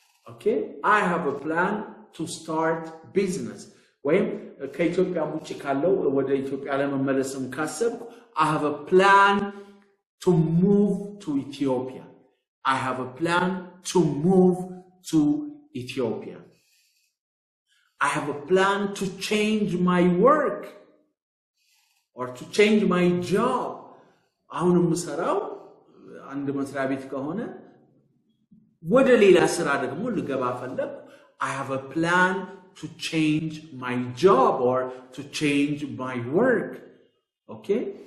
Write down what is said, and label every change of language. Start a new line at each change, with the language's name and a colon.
English: okay I have a plan to start business
Amharic: ወይም ከኢትዮጵያ ውጭ ካለው ወደ ኢትዮጵያ ለመመለስም ካሰብኩ
English: I have a plan to move to Ethiopia I have a plan to move to Ethiopia. I have a plan to change my work or to change my job.
Amharic: አሁንም ሰራው አንድ መስሪያ ቤት ከሆነ ወደ ሌላ ስራ ደግሞ ልገባ ፈለኩ
English: I have a plan to change my job or to change my work. Okay?